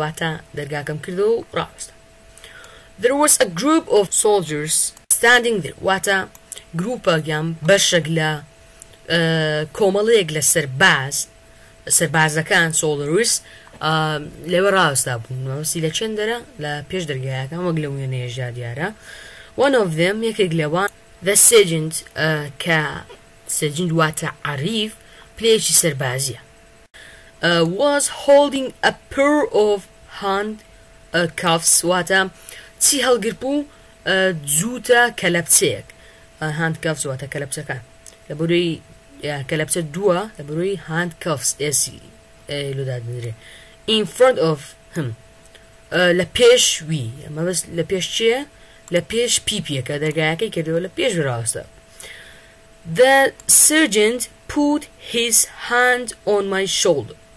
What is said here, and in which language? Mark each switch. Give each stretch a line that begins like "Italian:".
Central Kurdish: واتە دەرگاکەم کرد و ڕاوەستە.
English: There was a group of soldiers standing there.
Central Kurdish: واتە گروپەک یان بەشێک لە کۆمەڵەیەک لە سەرباز سەربازەکان سۆڵەرویس لەوە ڕاوەستا بوون. مەبەستی لە چێن دەرە لە پێش دەرگایەکان وەک لە وێنەیەشدا دیارە.
English: One of them
Central Kurdish: یەکێک لەوان
English: the sergeant
Central Kurdish: کە سەرجنج واتە عەریف پلەیەکی سەربازیە.
English: Was holding a pair of hand cuffs
Central Kurdish: واتە چی هەڵگرت بوو جووتە کەلەپچەیەک
English: hand cuffs
Central Kurdish: واتە کەلەپچەکە لە بەرەوەی کەلەپچە دووە لە بەرەوەی hand cuffs لۆدادنرێ
English: in front of him
Central Kurdish: لە پێش وی مەبەست لە پێش چیە لە پێش پیپیەکە دەرگایەکەی کردەوە لە پێش ڕاوەستە.
English: The sergeant put his hand on my shoulder.